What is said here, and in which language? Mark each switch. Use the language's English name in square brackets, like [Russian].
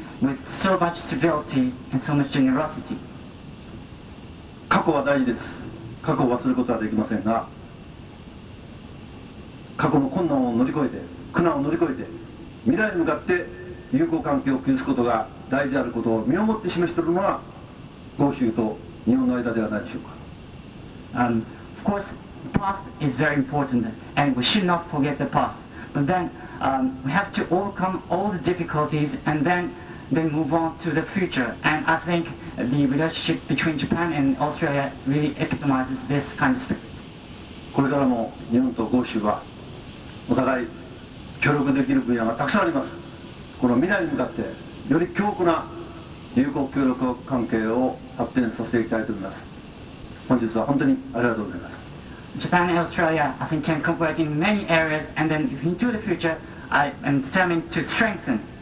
[English] With so much civility and so much generosity. [Japanese] 過去は大事です。過去を忘れることはできませんが、過去の困難を乗り越えて、苦難を乗り越えて、未来に向かって友好関係を築くことが大事であることを身をもって示しているのは、豪州と日本の間ではないでしょうか。 [English] Of course, the past is very important, and we should not forget the past. But then, we have to overcome all the difficulties, and then move on to the future, and I think the relationship between Japan and Australia really epitomizes this kind of spirit. [Japanese] これからも日本と豪州はお互い協力できる分野がたくさんあります。この未来に向かってより強固な友好協力関係を発展させていきたいと思います。本日は本当にありがとうございます。 [English] Japan and Australia, I think, can cooperate in many areas, and then into the future, I am determined to strengthen.